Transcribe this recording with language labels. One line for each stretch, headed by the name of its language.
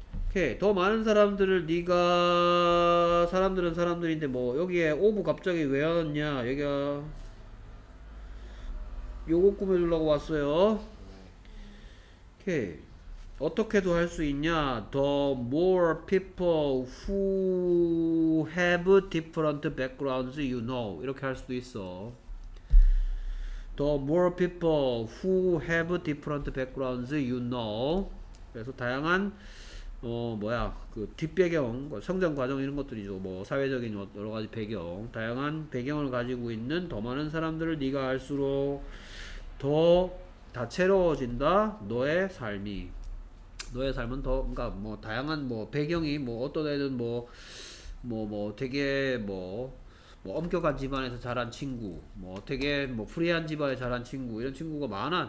Korean: 오케이. 더 많은 사람들을 네가, 사람들은 사람들인데 뭐 여기에 오브 갑자기 왜 왔냐? 여기가 요거 꾸며주려고 왔어요. 오케이. 어떻게도 할수 있냐?
English: The more people who have different backgrounds you know.
Korean: 이렇게 할 수도 있어.
English: The more people who have different backgrounds you know.
Korean: 그래서 다양한 뭐야 그 뒷배경 뭐 성장 과정 이런 것들이죠. 뭐 사회적인 여러 가지 배경 다양한 배경을 가지고 있는 더 많은 사람들을 네가 알수록 더 다채로워진다. 너의 삶이 너의 삶은 더 그러니까 뭐 다양한 뭐 배경이 뭐 어떤 애든 뭐 되게 뭐 엄격한 집안에서 자란 친구 뭐 되게 뭐 프리한 집안에 자란 친구 이런 친구가 많아.